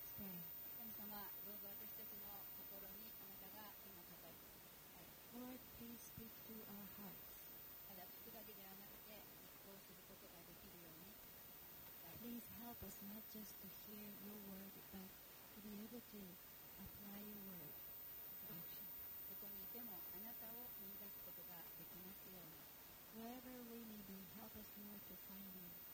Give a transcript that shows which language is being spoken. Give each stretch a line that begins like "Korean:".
Japanese: 神様、どうぞ私たちの心にあなたが今語ってください
English: 。 Lord, please speak to our hearts.
Japanese: ただ聞くだけではなくて、実行することができるように。
English: Please help us not just to hear your word, but to be able to apply your word.
Japanese: ここにいてもあなたを見出すことができますように。
English: Wherever we may be, help us more to find you.